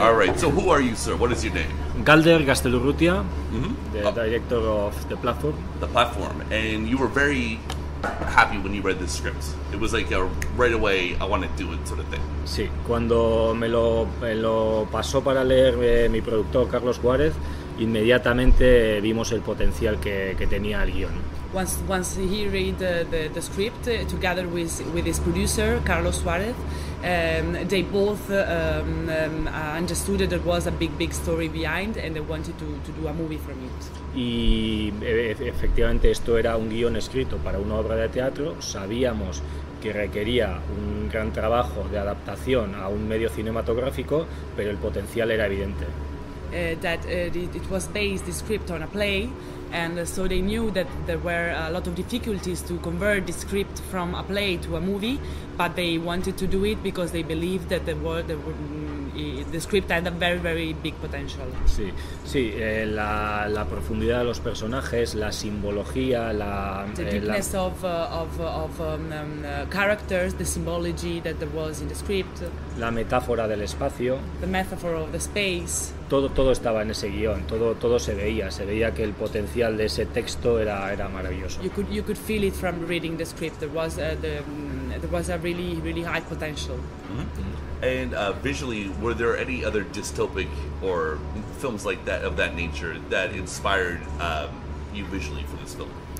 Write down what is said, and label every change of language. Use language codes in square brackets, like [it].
[en] All right, so who are you, sir? What is your name? Galder Gaztelu-Urrutia, the director of the platform. The platform. And you were very happy when you read the script. It was like a right away, I want to do it sort of thing. [es] Sí, cuando me lo pasó para leer mi productor, Carlos Juárez, inmediatamente vimos el potencial que tenía el guión. [en] Once he read the script together with his producer Carlos Suarez, they both understood that there was a big story behind and they wanted to do a movie from it. [es] Y efectivamente esto era un guion escrito para una obra de teatro. Sabíamos que requería un gran trabajo de adaptación a un medio cinematográfico, pero el potencial era evidente. [en] That it was based the script on a play. And so they knew that there were a lot of difficulties to convert the script from a play to a movie, but they wanted to do it because they believed that the script had a very, very big potential. [es] Sí, sí, la profundidad de los personajes, la simbología, la... [en] The deepness of characters, the symbology that there was in the script. [es] La metáfora del espacio. [en] The metaphor of the space. [es] Todo estaba en ese guión, todo se veía que el potencial de ese texto era maravilloso. [en] You could feel it from reading the script. There was a really, really high potential. And visually, were there any other dystopic or films like that of that nature that inspired you visually for this film?